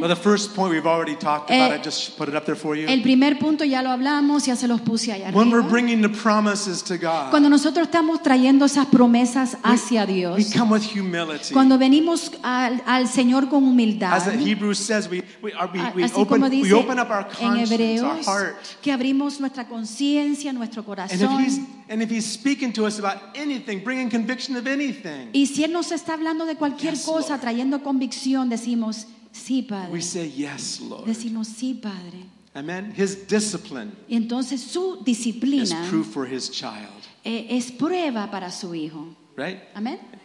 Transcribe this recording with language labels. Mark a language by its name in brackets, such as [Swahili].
[English] Well, the first point we've already talked about. I just put it up there for you. [Spanish] El primer punto ya lo hablamos, ya se los puse allá. [English] When we're bringing the promises to God. [Spanish] Cuando nosotros estamos trayendo esas promesas hacia Dios. [English] We come with humility. [Spanish] Cuando venimos al Señor con humildad. [English] As the Hebrews says, we open up our conscience, our heart. [Spanish] Que abrimos nuestra conciencia, nuestro corazón. [English] And if he's speaking to us about anything, bringing conviction of anything. [Spanish] Y si él nos está hablando de cualquier [English] yes, [Spanish] cosa, [English] Lord. [Spanish] Trayendo convicción, decimos sí, Padre. [English] We say yes, Lord. [Spanish] Decimos sí, Padre. [English] Amen. His discipline. [Spanish] Y entonces su disciplina [English] is proof for his child. [Spanish] Es prueba para su hijo. [English] Right? [Spanish] Amen.